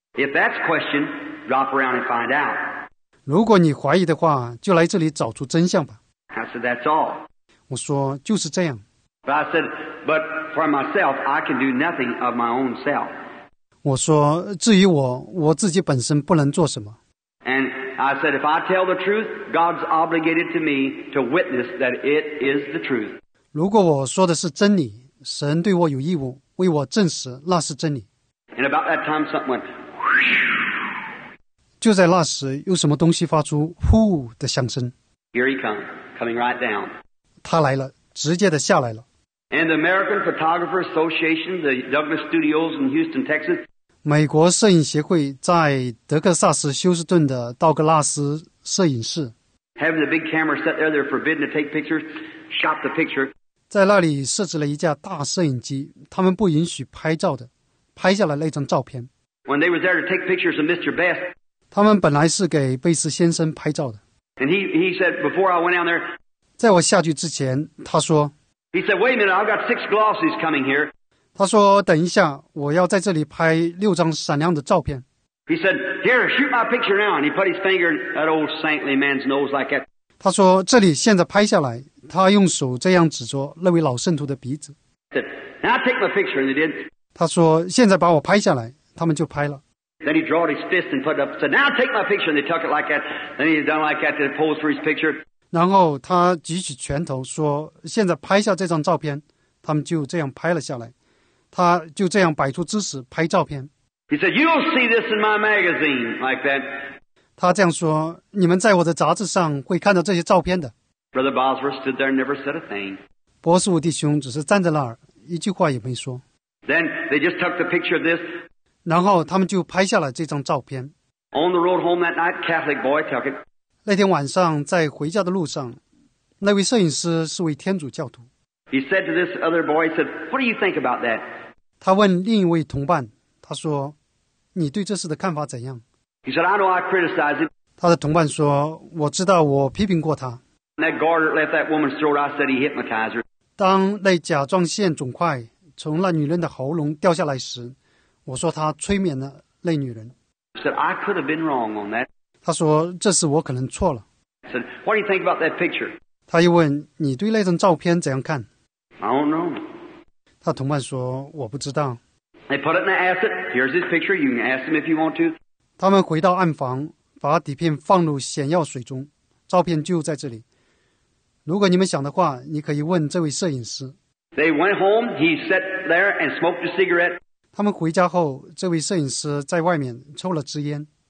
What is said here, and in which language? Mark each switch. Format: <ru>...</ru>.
<en>If that's question, drop around and find out.</en> <zh>如果你怀疑的话就来这里找出真相吧</zh> <en>I said, that's all.</en> <zh>我说就是这样</zh> <en>But I said, but for myself, I can do nothing of my own self.</en> <zh>我说至于我自己本身不能做什么</zh> <en>And I said, if I tell the truth, God's obligated to me to witness that it is the truth.</en> <zh>如果我说的是真理，神对我有义务为我证实那是真理。</zh> <en>And about that time, something went.</en> <zh>就在那时，有什么东西发出呼的响声。</zh> <en>Here he comes, coming right down.</en> <zh>他来了，直接的下来了。</zh> <en>And the American Photographer Association, the Douglas Studios in Houston, Texas.</en> <zh>美国摄影协会在德克萨斯休斯顿的道格拉斯摄影室</zh> <en>having the big camera set there, they're forbidden to take pictures, shot the picture.</en> <zh>在那里设置了一架大摄影机他们不允许拍照的拍下了那张照片</zh> <en>When they were there to take pictures of Mr. Best,</en> <zh>他们本来是给贝斯先生拍照的</zh> <en>And he said, before I went down there,</en> <zh>在我下去之前他说</zh> <en>He said, wait a minute, I've got six glossies coming here.</en> <zh>他说等一下我要在这里拍六张闪亮的照片。</zh> <en>He said, here, shoot my picture now. And he put his finger in that old saintly man's nose like that.</en> <zh>他说这里现在拍下来他用手这样指着那位老圣徒的鼻子。</zh> <en>He said, now take my picture, and he did.</en> <zh>他说现在把我拍下来他们就拍了。</zh> <en>Then he drew his fist and put it up, said, now take my picture, and they took it like that. Then he's done like that, and posed for his picture.</en> <zh>然后他举起拳头说现在拍下这张照片他们就这样拍了下来。他就这样摆出姿势拍照片。</zh> <en>He said, "You'll see this in my magazine like that."</en> <zh>他这样说，你们在我的杂志上会看到这些照片的。</zh> <en>Brother Bosworth stood there, never said a thing.</en> <zh>波斯沃弟兄只是站在那儿，一句话也没说。</zh> <en>Then they just took the picture of this.</en> <zh>然后他们就拍下了这张照片。</zh> <en>On the road home that night, Catholic boy took it.</en> <zh>那天晚上在回家的路上，那位摄影师是位天主教徒。</zh> <en>He said to this other boy, he said, "What do you think about that?"</en> <zh>他问另一位同伴，他说，你对这事的看法怎样？</zh> <en>He said, "I know I criticized it."</en> <zh>他的同伴说，我知道我批评过他。</zh> <en>That guard left that woman's throat. I said he hypnotized her.</en> <zh>当那甲状腺肿块从那女人的喉咙掉下来时，我说他催眠了那女人。</zh> <en>He said, "I could have been wrong on that."</en> <zh>他说，这事我可能错了。</zh> <en>He said, "What do you think about that picture?"</en> <zh>他又问，你对那张照片怎样看？</zh> <en>I don't know.</en> <zh>他同伴说，我不知道。</zh> <en>They put it in the acid. Here's his picture. You can ask him if you want to.</en> <zh>他们回到暗房，把底片放入显药水中，照片就在这里。如果你们想的话，你可以问这位摄影师。</zh> <en>They went home. He sat there and smoked a cigarette.</en> <zh>他们回家后，这位摄影师在外面抽了支烟。</zh>